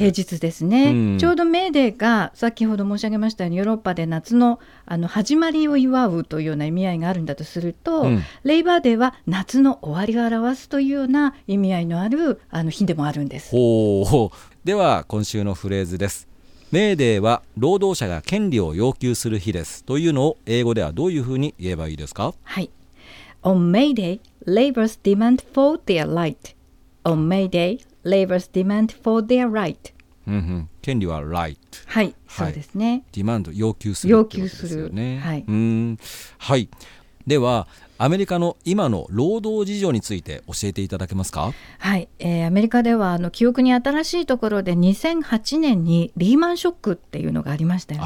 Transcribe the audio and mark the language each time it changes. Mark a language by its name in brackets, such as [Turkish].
[Japanese] 平日ですね、うん、ちょうどメイデーが先ほど申し上げましたようにヨーロッパで夏の始まりを祝うというような意味合いがあるんだとすると、うん、レイバーデーは夏の終わりを表すというような意味合いのある日でもあるんです。ほう。では今週のフレーズです。メーデーは労働者が権利を要求する日です、というのを英語ではどういうふうに言えばいいですか。 [English] はい、 On May Day, laborers demand for their right. On May Day, laborers demand for their right. [Japanese] うんうん、権利は right。はい、はい、そうですね。 demand、 要求する、要求するですよね。はい、うん、はい、ではアメリカの今の労働事情について教えていただけますか。はい、アメリカでは記憶に新しいところで2008年にリーマンショックっていうのがありましたよね。